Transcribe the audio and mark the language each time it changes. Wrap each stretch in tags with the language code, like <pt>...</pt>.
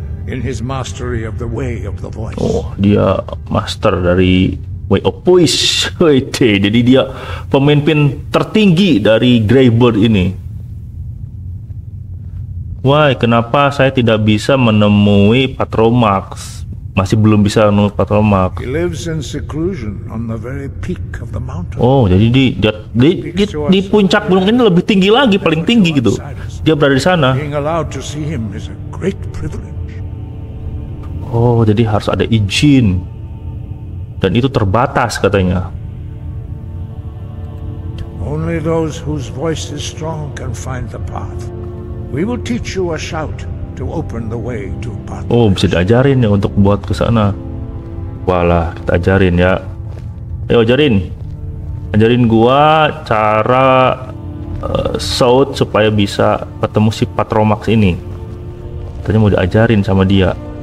<en>In his mastery of the way of the voice.</en> <id>Oh, dia master dari</id> <en>way of voice.</en> <id>Jadi dia pemimpin tertinggi dari Greybird ini. Wah, kenapa saya tidak bisa menemui Patronax? Masih belum bisa menemui Patronax.</id> <en>He lives in seclusion on the very peak of the mountain.</en> <id>Oh, jadi di puncak gunung ini lebih tinggi lagi, paling tinggi gitu. Dia berada di sana.</id> <en>Being allowed to see him is a great privilege.</en> <id>Oh, jadi harus ada izin. Dan itu terbatas katanya.</id> <en>Only those whose voice is strong can find the path. We will teach you a shout to open the way to path.</en> <id>Oh, bisa diajarin ya untuk buat ke sana. Walah, kita ajarin ya. Ayo ajarin. Ajarin gua cara shout supaya bisa ketemu si Patronax ini. Katanya mau diajarin sama dia.</id>